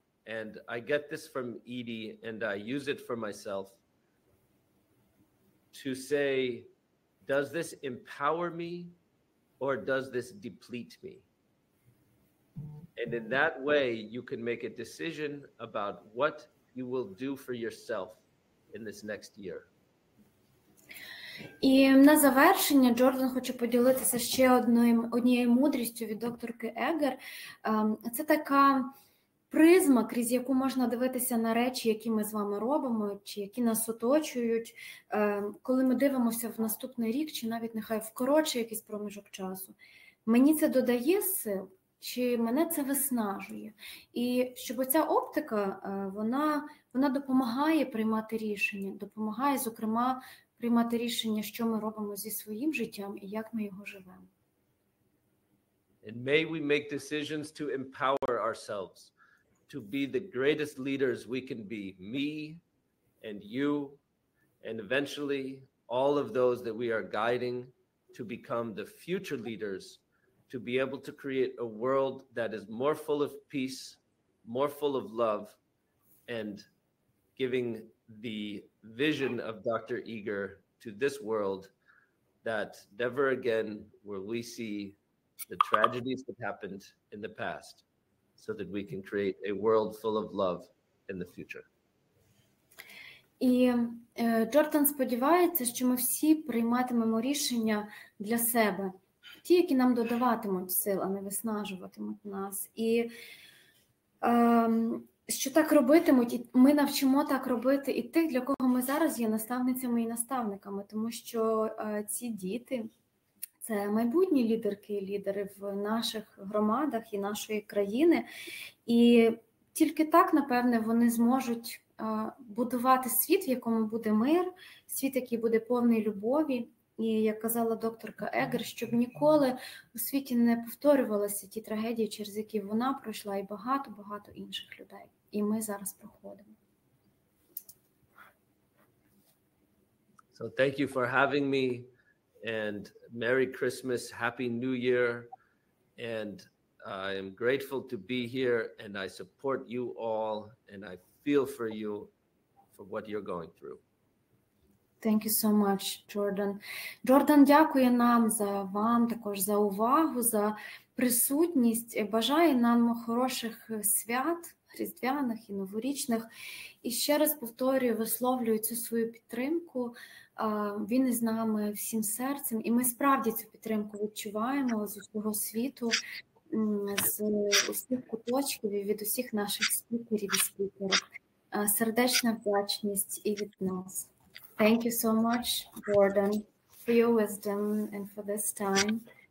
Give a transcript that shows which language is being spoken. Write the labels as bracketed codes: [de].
[en] And I get this from Edie, and I use it for myself to say, does this empower me or does this deplete me? And in that way, you can make a decision about what you will do for yourself in this next year. [uk] І на завершення Джордан хоче поділитися ще однією мудрістю від докторки Егер. Це така призма, крізь яку можна дивитися на речі, які ми з вами робимо, чи які нас оточують, коли ми дивимося в наступний рік, чи навіть нехай в коротший якийсь проміжок часу. Мені це додає сил, чи мене це виснажує? І щоб оця оптика, вона допомагає приймати рішення, допомагає, зокрема, приймати рішення, що ми робимо зі своїм життям і як ми його живемо. [en] And may we make decisions to empower ourselves, to be the greatest leaders we can be, me and you, and eventually all of those that we are guiding to become the future leaders, to be able to create a world that is more full of peace, more full of love, and giving the vision of Dr. Eger to this world, that never again will we see the tragedies that happened in the past, so that we can create a world full of love in the future. [uk] І Джордан сподівається, що ми всі прийматимемо рішення для себе, ті, які нам додаватимуть сил, а не виснажуватимуть нас. І що так робитимуть, і ми навчимо так робити і тих, для кого ми зараз є наставницями і наставниками, тому що ці діти – це майбутні лідерки і лідери в наших громадах і нашої країни. І тільки так, напевне, вони зможуть будувати світ, в якому буде мир, світ, який буде повний любові. І, як казала докторка Егер, щоб ніколи у світі не повторювалися ті трагедії, через які вона пройшла, і багато-багато інших людей. І ми зараз проходимо. [en] So thank you for having me, and Merry Christmas, Happy New Year, and I am grateful to be here, and I support you all, and I feel for you, for what you're going through. Thank you so much, Джордан. [uk] Джордан дякує нам за вам, також за увагу, за присутність. Бажає нам хороших свят, різдвяних і новорічних. І ще раз повторюю, висловлюю цю свою підтримку. Він із нами всім серцем. І ми справді цю підтримку відчуваємо з усього світу, з усіх куточків і від усіх наших спікерів і спікерів. Сердечна вдячність і від нас. [en] Thank you so much, Jordan, for your wisdom and for this time.